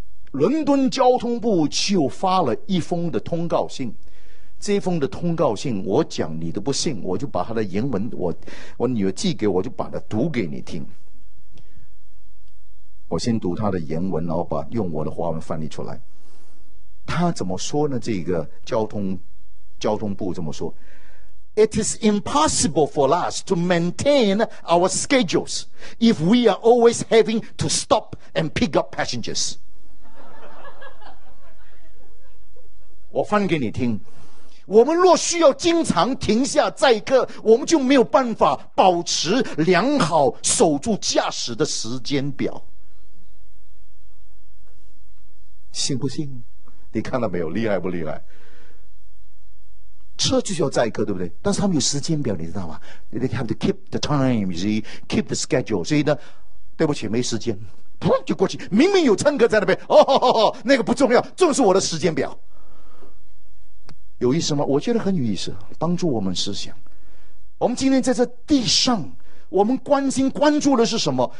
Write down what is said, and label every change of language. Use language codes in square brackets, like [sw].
[zh] 伦敦交通部就发了一封的通告信，这封的通告信我讲你都不信，我就把他的原文，我女儿寄给我，就把它读给你听。我先读他的原文，然后把用我的华文翻译出来。他怎么说呢？这个交通部怎么说 [en] ？It is impossible for us to maintain our schedules if we are always having to stop and pick up passengers. [zh] 我翻给你听。我们若需要经常停下载客，我们就没有办法保持良好守住驾驶的时间表。信不信？你看到没有？厉害不厉害？车就是要载客，对不对？但是他们有时间表，你知道吗 [en] ？They have to keep the time, see, keep the schedule. [zh] 所以呢，对不起，没时间，砰就过去。明明有乘客在那边，那个不重要，重要是我的时间表。有意思吗？我觉得很有意思，帮助我们思想。我们今天在这地上，我们关心关注的是什么？